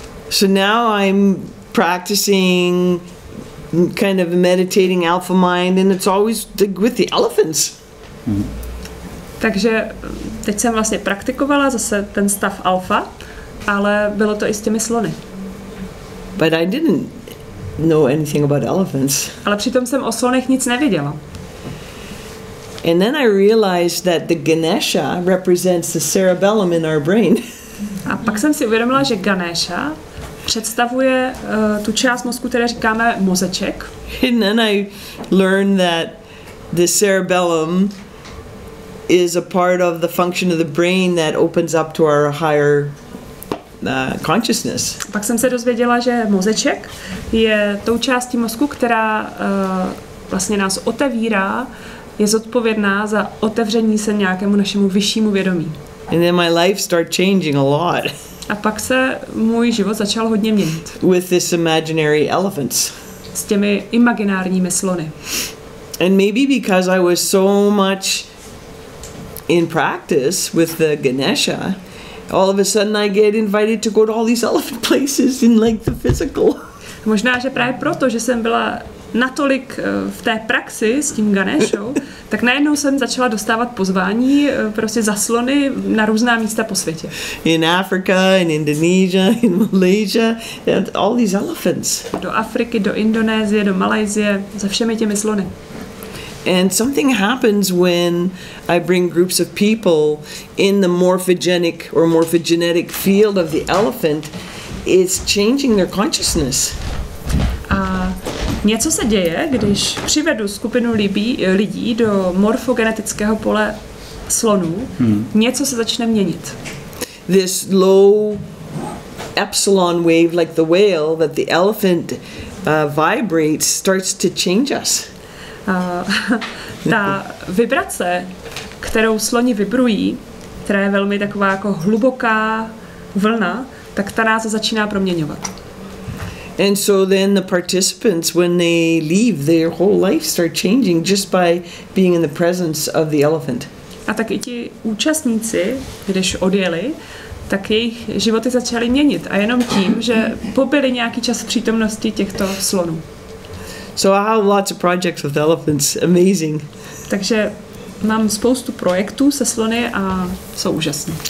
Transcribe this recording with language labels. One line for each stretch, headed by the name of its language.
English: So now I'm practicing kind of meditating alpha mind and it's always with the elephants.
Czech: Takže teď jsem vlastně praktikovala zase ten stav alfa, ale bylo to i s těmi slony.
English: But I didn't know anything about elephants.
Czech: Ale přitom jsem o slonech nic nevěděla.
English: And then I realized that the Ganesha represents the cerebellum in our brain.
Czech: A pak jsem si uvědomila, že Ganesha představuje tu část mozku, které říkáme mozeček.
English: And then I learned that the cerebellum is a part of the function of the brain that opens up to our higher consciousness.
Czech: Pak jsem se dozvěděla, že mozeček je tou částí mozku, která vlastně nás otevírá, je zodpovědná za otevření se nějakému našemu vyššímu vědomí.
English: And then my life started changing a lot.
Czech: A pak se můj život začal hodně měnit.
English: With this imaginary elephants.
Czech: S těmi imaginárními slony.
English: And maybe because I was so much in practice with the Ganesha, all of a sudden I get invited to go to all these elephant places in like the physical.
Czech: Možná, že právě proto, že jsem byla natolik v té praxi s tím Ganeshou, tak najednou jsem začala dostávat pozvání prostě za slony na různá místa po světě.
English: In Africa, in Indonesia, in Malaysia, and all these elephants.
Czech: Do Afriky, do Indonésie, do Malajzie, za všemi těmi slony.
English: And something happens when I bring groups of people in the morphogenic or morphogenetic field of the elephant, it's changing their consciousness.
Czech: A něco se děje, když přivedu skupinu lidí do morfogenetického pole slonů, něco se začne měnit.
English: This low epsilon wave like the whale that the elephant vibrates starts to change us.
Czech: Ta vibrace, kterou sloni vibrují, která je velmi taková jako hluboká vlna, tak ta nás začíná proměňovat.
English: And so then the participants, when they leave, their whole life start changing just by being in the presence of the elephant.
Czech: A tak i ti účastníci, když odjeli, tak jejich životy začaly měnit. A jenom tím, že pobyli nějaký čas v přítomnosti těchto slonů.
English: So I have lots of projects with elephants. Amazing.
Czech: Takže mám spoustu projektů se slony a jsou úžasné.